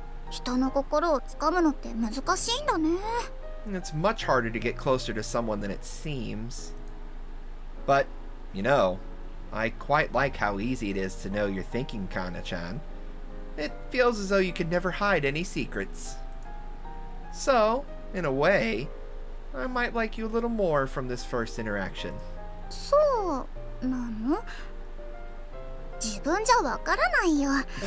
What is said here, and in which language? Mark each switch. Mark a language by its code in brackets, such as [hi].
[ja] 人の心をつかむのって難しいんだね。 [en] It's much harder to get closer to someone than it seems. But, you know, I quite like how easy it is to know you're thinking, Kana-chan. It feels as though you could never hide any secrets. So, in a way, I might like you a little more from this first interaction. [ja] そうなの? 自分じゃわからないよ。うん。